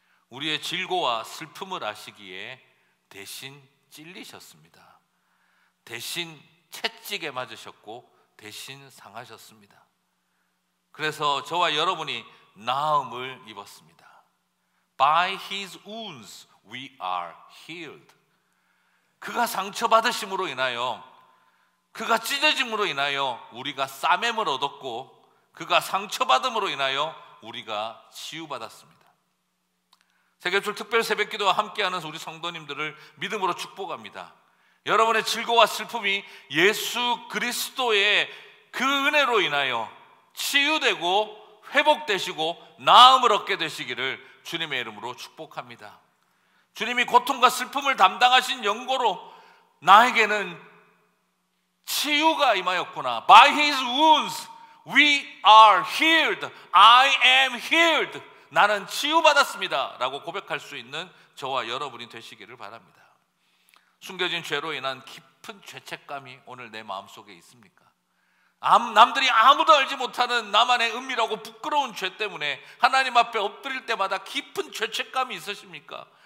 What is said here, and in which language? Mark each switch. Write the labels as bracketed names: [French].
[Korean] 우리의 질고와 슬픔을 아시기에 대신 찔리셨습니다. 대신 채찍에 맞으셨고 대신 상하셨습니다. 그래서 저와 여러분이 나음을 입었습니다. [English] By his wounds we are healed. [Korean] 그가 상처받으심으로 인하여, 그가 찢어짐으로 인하여 우리가 싸맴을 얻었고, 그가 상처받음으로 인하여 우리가 치유받았습니다. 세계출 특별 새벽기도와 함께하는 우리 성도님들을 믿음으로 축복합니다. 여러분의 즐거움과 슬픔이 예수 그리스도의 그 은혜로 인하여 치유되고 회복되시고 나음을 얻게 되시기를 주님의 이름으로 축복합니다. 주님이 고통과 슬픔을 담당하신 연고로 나에게는 치유가 임하였구나. [English] By his wounds we are healed. I am healed. [Korean] 나는 치유받았습니다 라고 고백할 수 있는 저와 여러분이 되시기를 바랍니다. 숨겨진 죄로 인한 깊은 죄책감이 오늘 내 마음속에 있습니까? 남들이 아무도 알지 못하는 나만의 은밀하고 부끄러운 죄 때문에 하나님 앞에 엎드릴 때마다 깊은 죄책감이 있으십니까?